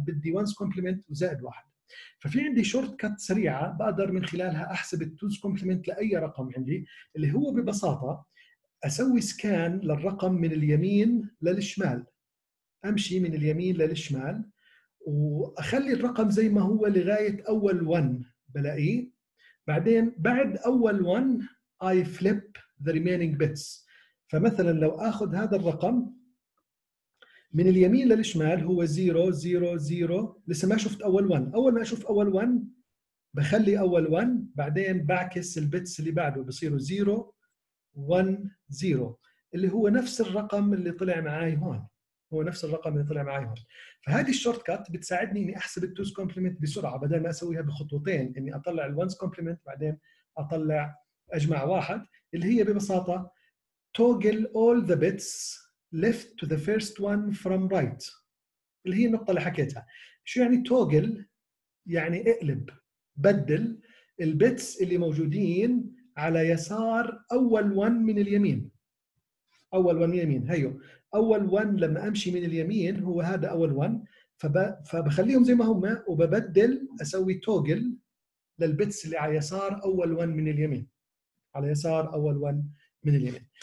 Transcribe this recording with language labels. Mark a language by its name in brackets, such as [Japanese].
[Arabic] بدي ونز كومبلمنت وزائد واحد. ففي عندي شورت كات سريعة بقدر من خلالها أحسب التوز كومبلمنت لأي رقم عندي. اللي هو ببساطة أسوي سكان للرقم من اليمين للشمال. أمشي من اليمين للشمال وأخلي الرقم زي ما هو لغاية أول 1 بلاقيه. بعدين بعد أول 1 [English] I flip the remaining bits. [Arabic] فمثلا لو أخذ هذا الرقم من اليمين للشمال هو 0 0 0. لسه ما شفت أول 1. أول ما أشوف أول 1 بخلي أول 1 بعدين بعكس البيتس اللي بعده بصيروا 0 1 0 اللي هو نفس الرقم اللي طلع معاي هون. هو نفس الرقم اللي طلع معي هون. فهذه الشورت كات بتساعدني اني احسب التوز كومبلمنت بسرعه بدل ما اسويها بخطوتين اني اطلع الونز كومبلمنت بعدين اطلع اجمع واحد. اللي هي ببساطه توجل اول ذا بيتس [English] left to the first one from right [Arabic] اللي هي النقطة اللي حكيتها. شو يعني توغل؟ يعني اقلب بدل البيتس اللي موجودين على يسار أول one من اليمين. أول one من اليمين هيو أول one لما أمشي من اليمين هو هذا أول one فبخليهم زي ما هم وببدل أسوي توغل للبيتس اللي على يسار أول one من اليمين على يسار أول one من اليمين.